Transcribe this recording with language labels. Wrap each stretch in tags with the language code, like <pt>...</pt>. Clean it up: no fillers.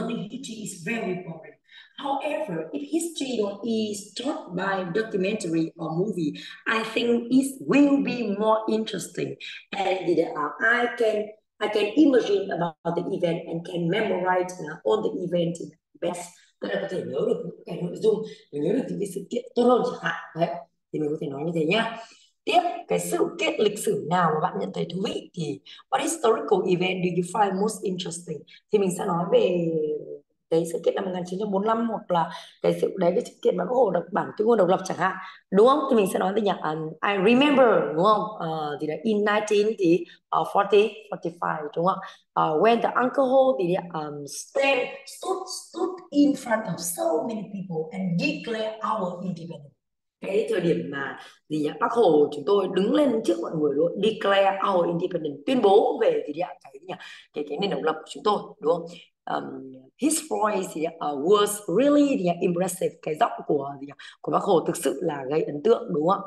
<en>So I feel that learning history is very boring. However, if history is taught by documentary or movie, I think it will be more interesting. And I can imagine about the event and can memorize all the event best.</en> <vi>Tức là có thể nhớ được những cái nội dung, nhớ được những cái sự kiện tốt hơn chẳng hạn. Đấy, thì mình có thể nói như thế nhá. Tiếp, cái sự kiện lịch sử nào mà bạn nhận thấy thú vị thì</vi> <en>what historical event do you find most interesting?</en> <vi>Thì mình sẽ nói về cái sự kiện năm 1945, hoặc là cái sự đấy cái sự kiện mà Bác Hồ đọc bản tuyên ngôn độc lập chẳng hạn, đúng không? Thì mình sẽ nói tiếng Nhật</vi> <en>I remember,</en> <vi>đúng không? Thì là in 19 thì 40 45, đúng không?</vi> <en>When the Uncle Ho thì stood in front of so many people and declare our independence.</en> <vi>Cái thời điểm mà gì nhỉ? Bác Hồ chúng tôi đứng lên trước mọi người luôn,</vi> <en>declare our independence,</en> <vi>tuyên bố về gì nhỉ? Cái gì nhỉ? Cái nền độc lập của chúng tôi, đúng không?</vi> <en>His voice was really impressive,</en> <vi>cái giọng của Bác Hồ thực sự là gây ấn tượng, đúng không?</vi>